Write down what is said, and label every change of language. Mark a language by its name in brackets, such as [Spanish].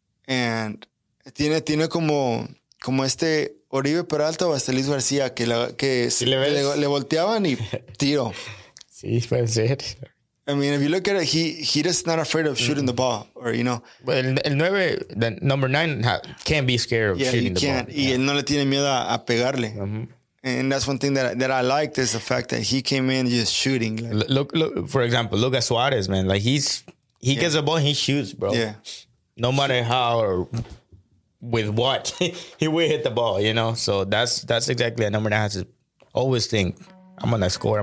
[Spanish] And tiene como este Oribe Peralta o hasta Luis García que le volteaban y tiro. Sí, puede ser. [English] I mean, if you look at it, he just not afraid of shooting the ball, or, you know. But the number 9 can't be scared of shooting the ball. [Spanish] Y él no le tiene miedo a pegarle. [English] And that's one thing that I liked is the fact that he came in just shooting. Like, look, for example, at Suarez, man. Like, he gets a ball, he shoots, bro. Yeah. No matter how or with what, he will hit the ball, you know. So that's exactly a number that has to always think, I'm going to score.